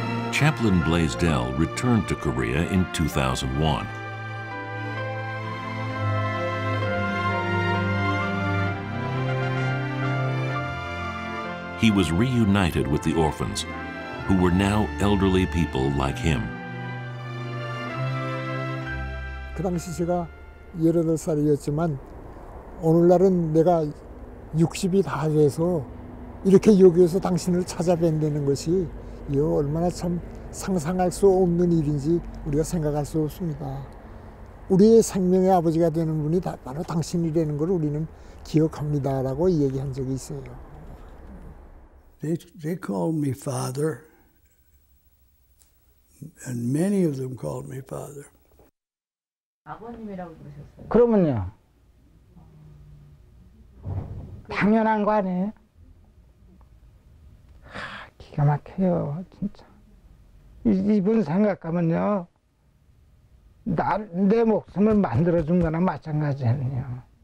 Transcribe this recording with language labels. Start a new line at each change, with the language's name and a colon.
English: Chaplain Blaisdell returned to Korea in 2001. He was reunited with the orphans, who were now elderly people like him.
Korean: 그 당시 제가 18살이었지만 오늘날은 내가 60이 다 돼서 이렇게 여기에서 당신을 찾아뵌다는 것이 얼마나 참 상상할 수 없는 일인지 우리가 생각할 수 없습니다. 우리의 생명의 아버지가 되는 분이 바로 당신이라는 걸 우리는 기억합니다라고 얘기한 적이 있어요.
English: They called me father, and many of them called me father.
Korean: 아버님이라고 부르셨어요? 그러면요. 당연한 거 아니에요? 하, 기가 막혀요, 진짜. 이분 생각하면요. 내 목숨을 만들어준 거나 마찬가지예요.